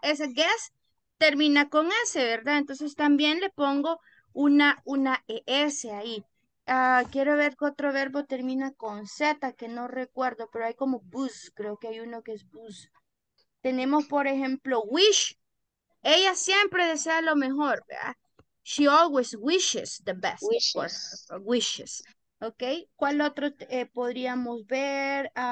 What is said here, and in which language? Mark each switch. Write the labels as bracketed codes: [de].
[es] Ese guess termina con S, ¿verdad? Entonces también le pongo una ES ahí. Quiero ver qué otro verbo termina con Z, que no recuerdo, pero hay como bus, creo que hay uno que es bus. Tenemos, por ejemplo, wish. Ella siempre desea lo mejor, ¿verdad? [en] She always wishes the best for her Wishes. wishes. ¿Ok? [es] ¿Cuál otro podríamos ver?